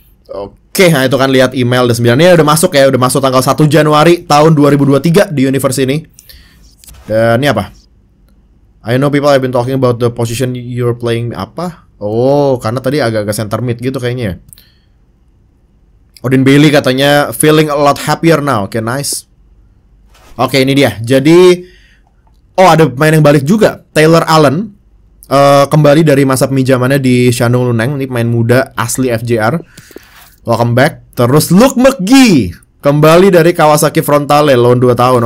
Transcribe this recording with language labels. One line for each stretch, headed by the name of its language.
Indonesian: Oke, nah itu kan lihat email dan sebenarnya udah masuk ya, udah masuk tanggal 1 Januari tahun 2023 di universe ini. Dan ini apa?
English: I know people have been talking about the position you're playing
Indonesian: apa? Oh, karena tadi agak-agak center mid gitu kayaknya. Odin Bailey katanya
English: feeling a lot happier now.
Indonesian: Okay, nice. Oke, ini dia. Jadi ada pemain yang balik juga, Taylor Allen. Kembali dari masa peminjamannya di Shandong Luneng, ini pemain muda asli FJR.
English: Welcome back.
Indonesian: Terus Luke McGee kembali dari Kawasaki Frontale loan 2 tahun.